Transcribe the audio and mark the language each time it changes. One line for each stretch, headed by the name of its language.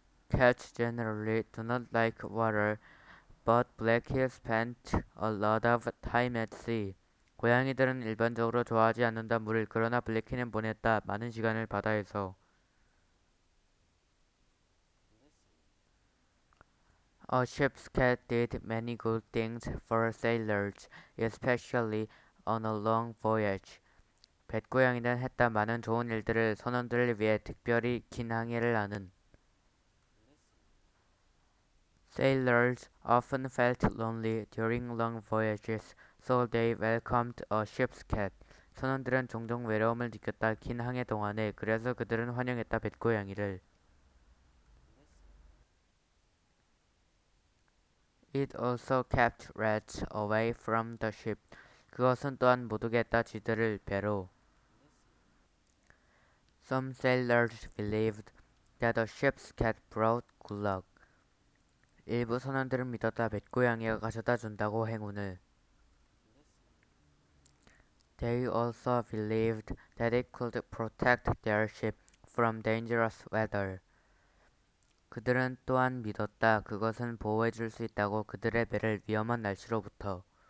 English: Cats generally do not like water, but Blackie spent a lot of time at sea.
Korean: 고양이들은 일반적으로 좋아하지 않는다 물을, 그러나 블래키는 보냈다 많은 시간을 바다에서.
English: A ship's cat did many good things for sailors, especially on a long voyage.
Korean: 뱃고양이는 했다 많은 좋은 일들을 선원들을 위해, 특별히 긴 항해를 하는.
English: Sailors often felt lonely during long voyages, so they welcomed a ship's cat.
Korean: 선원들은 종종 외로움을 느꼈다 긴 항해 동안에, 그래서 그들은 환영했다 뱃고양이를.
English: It also kept rats away from the ship.
Korean: 그것은 또한 못 오게 했다 쥐들을 배로.
English: Some sailors believed that a ship's cat brought good luck.
Korean: 일부 선원들은 믿었다 뱃고양이가 가져다 준다고 행운을.
English: They also believed that it could protect their ship from dangerous weather.
Korean: 그들은 또한 믿었다. 그것은 보호해줄 수 있다고, 그들의 배를 위험한 날씨로부터.